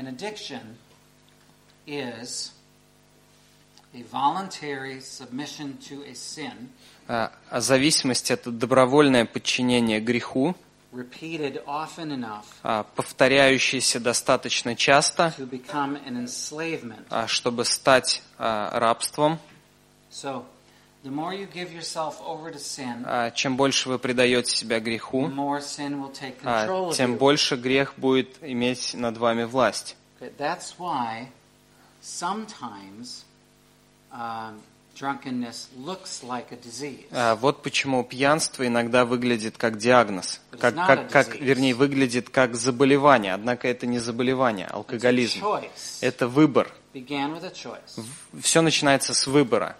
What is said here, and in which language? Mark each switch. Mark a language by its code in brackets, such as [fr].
[en] An addiction is a voluntary submission to a sin. [ru] А зависимость — это добровольное подчинение греху. [en] Repeated often enough. [ru] Повторяющееся достаточно часто. [en] To become an enslavement. [ru] Чтобы стать рабством. [en] So, the more you give yourself over to sin, [ru] чем больше вы предаете себя греху, [en] the more sin will take control of you. [ru] Тем больше грех будет иметь над вами власть. [en] That's why sometimes drunkenness looks like a disease. [ru] Вот почему пьянство иногда выглядит как диагноз, как вернее выглядит как заболевание. Однако это не заболевание, алкоголизм. Это выбор. [en] Began with a choice. [ru] Все начинается с выбора.